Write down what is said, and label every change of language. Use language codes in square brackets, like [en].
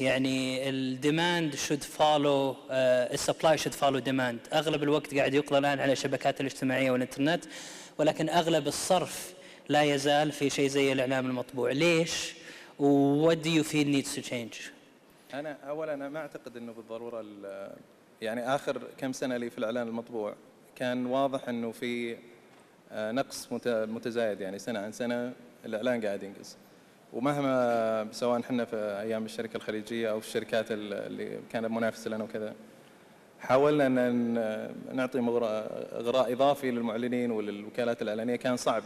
[en] يعني ال demand should follow supply should follow demand. [ar] أغلب الوقت قاعد يقضى الآن على الشبكات الاجتماعية والإنترنت، ولكن أغلب الصرف لا يزال في شيء زي الإعلام المطبوع. [en] ليش؟ What do you feel needs to change؟ [ar] أنا أولاً ما أعتقد إنه بالضرورة يعني آخر كم سنة لي في الإعلام المطبوع كان واضح إنه في نقص متزايد، يعني سنة عن سنة الإعلان قاعد ينقص. ومهما سواء حنا في أيام الشركة الخليجية أو الشركات اللي كانت منافسة لنا وكذا، حاولنا أن نعطي إغراء إضافي للمعلنين وللوكالات الإعلانية، كان صعب.